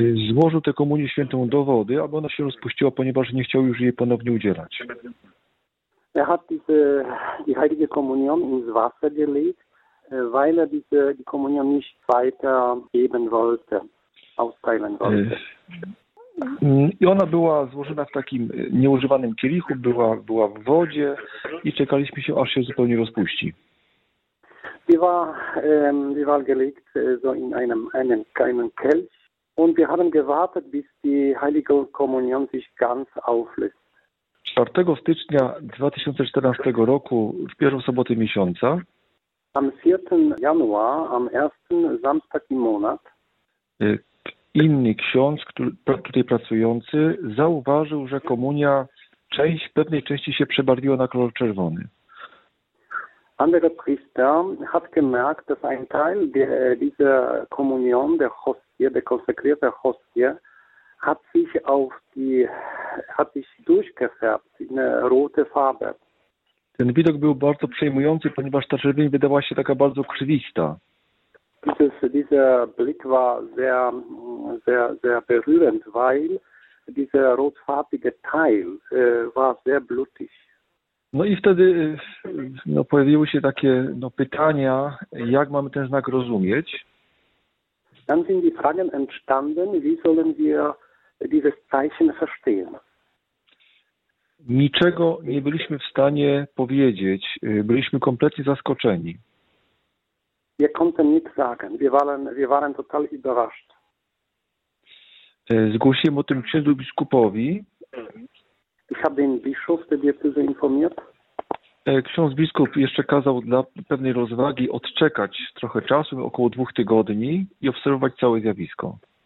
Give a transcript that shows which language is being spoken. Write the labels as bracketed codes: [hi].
[pl] Złożył tę Komunię Świętą do wody, aby ona się rozpuściła, ponieważ nie chciał już jej ponownie udzielać. [de] Er hat die heilige Kommunion ins Wasser gelegt, weil er die Kommunion nicht weiter geben wollte, austeilen wollte. [pl] I ona była złożona w takim nieużywanym kielichu, była w wodzie i czekaliśmy się, aż się zupełnie rozpuści. [de] Die war gelegt so in einem kleinen Kelch und wir haben gewartet, bis die heilige Kommunion sich ganz auflöst. [pl] 4. stycznia 2014 roku, w pierwszą sobotę miesiąca. [de] Am 4. Januar, am 1. Samstag im Monat. [pl] Inny ksiądz, który tutaj pracujący, zauważył, że komunia pewnej części się przebarwiła na kolor czerwony. [de] Anderer Priester hat gemerkt, dass ein Teil dieser Kommunion, der Hostie, der konsekrierte Hostie, hat sich durchgefärbt in eine rote Farbe. [pl] Ten widok był bardzo przejmujący, ponieważ ta czerwień wydawała się taka bardzo krwista. [de] Dieser Blick war sehr, sehr, sehr berührend, weil dieser rotfarbige Teil war sehr blutig. [pl] No i wtedy pojawiły się takie pytania, jak mamy ten znak rozumieć. [de] Dann sind die Fragen entstanden, wie sollen wir dieses Zeichen verstehen? [pl] Niczego nie byliśmy w stanie powiedzieć, byliśmy kompletnie zaskoczeni. [de] Wir konnten nichts sagen. Wir waren total überrascht. [pl] Zgłosiłem o tym księdzu biskupowi. [de] Ich habe den Bischof der Diözese informiert. [pl] Ksiądz biskup jeszcze kazał dla pewnej rozwagi odczekać trochę czasu, około 2 tygodni, i obserwować całe zjawisko.